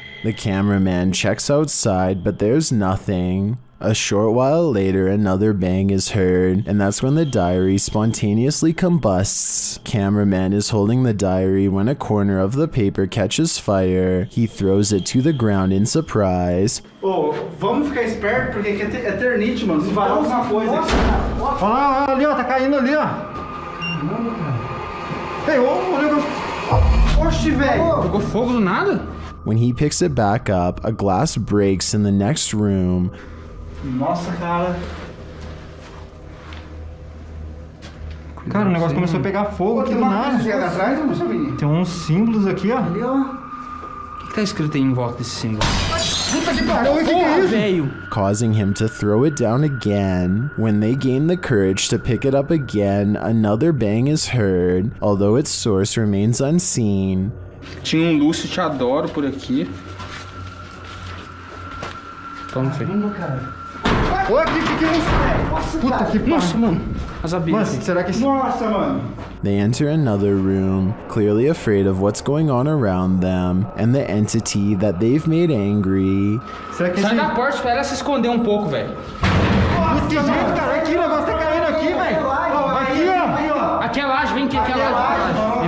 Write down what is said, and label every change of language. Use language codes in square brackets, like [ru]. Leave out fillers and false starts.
[en] The cameraman checks outside, but there's nothing. A short while later, another bang is heard, and that's when the diary spontaneously combusts. Cameraman is holding the diary when a corner of the paper catches fire. He throws it to the ground in surprise. [pt] Oh, vamos ficar esperto porque aqui é eternite, mano. Se falar alguma coisa. Olha lá, olha ali, ó, tá caindo ali, ó. Ei, olha. Oxe, velho. Pegou fogo do nada? [en] When he picks it back up, a glass breaks in the next room. [pt] Nossa, cara. Cara, o negócio começou a pegar fogo aqui do nada. Tem uns símbolos aqui, ó. Ali, ó. O que tá escrito aí em volta desse símbolo? [en] Causing him to throw it down again. When they gain the courage to pick it up again, another bang is heard, although its source remains unseen. [pt] Tinha Lúcio, te adoro por aqui. Toma, filho. [en] They enter another room, clearly afraid of what's going on around them and the entity that they've made angry. [pt] Sai da porta, espera se esconder um pouco, velho. Que jeito, cara? Aqui, o negócio tá caindo aqui, velho. Aqui, ó. Aqui é laje, vem aqui, aqui é laje.